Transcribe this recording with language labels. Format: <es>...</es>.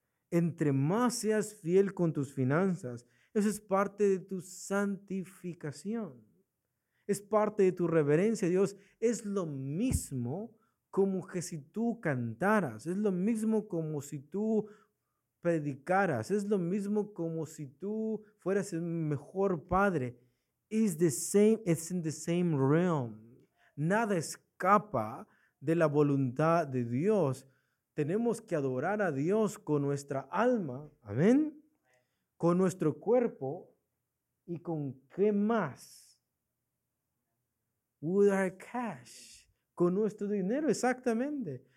<es>Entre más seas fiel con tus finanzas, eso es parte de tu santificación. Es parte de tu reverencia a Dios. Es lo mismo como que si tú cantaras. Es lo mismo como si tú predicaras. Es lo mismo como si tú fueras el mejor padre.</es> <en>It's the same, it's in the same realm.</en> <es>Nada escapa de la voluntad de Dios. Tenemos que adorar a Dios con nuestra alma, amén, con nuestro cuerpo y con qué más.</es> <en>With our cash,</en> <es>con nuestro dinero, exactamente.</es>